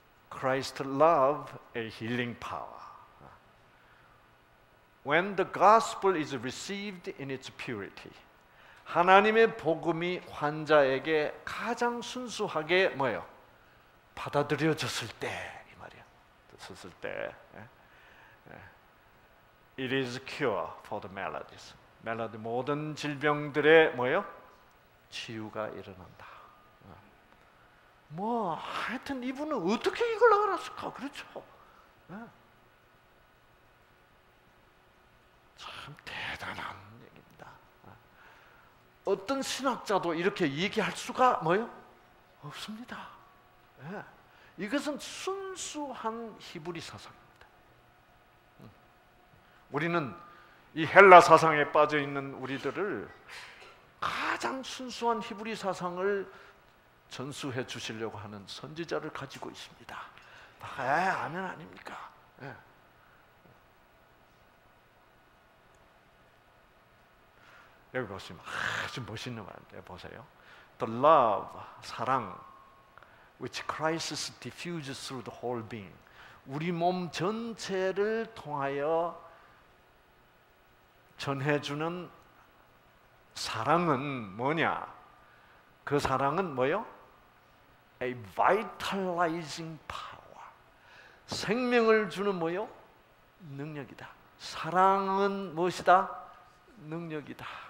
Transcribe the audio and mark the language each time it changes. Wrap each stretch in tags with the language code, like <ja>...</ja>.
<en>Christ love a healing power. When the gospel is received in its purity,</en> <ko>하나님의 복음이 환자에게 가장 순수하게 뭐요? 받아들여졌을 때, 이 말이야. 썼을 때,</ko> <en>it is cure for the maladies.</en> <ko>Malady 모든 질병들의 뭐요? 치유가 일어난다. 뭐 하여튼 이분은 어떻게 이걸 알았을까? 그렇죠? 참 대단한 얘기입니다. 어떤 신학자도 이렇게 얘기할 수가 뭐요? 없습니다. 예. 이것은 순수한 히브리 사상입니다. 우리는 이 헬라 사상에 빠져 있는 우리들을 가장 순수한 히브리 사상을 전수해 주시려고 하는 선지자를 가지고 있습니다. 예, 아멘 아닙니까? 예. 여기 보시면 아주 멋있는 말인데 보세요.</ko> <en>The love, 사랑, which Christ diffuses through the whole being.</en> <ko>우리 몸 전체를 통하여 전해주는 사랑은 뭐냐? 그 사랑은 뭐요?</ko> <en>A vitalizing power.</en> <ko>생명을 주는 뭐요? 능력이다. 사랑은 무엇이다? 능력이다.</ko>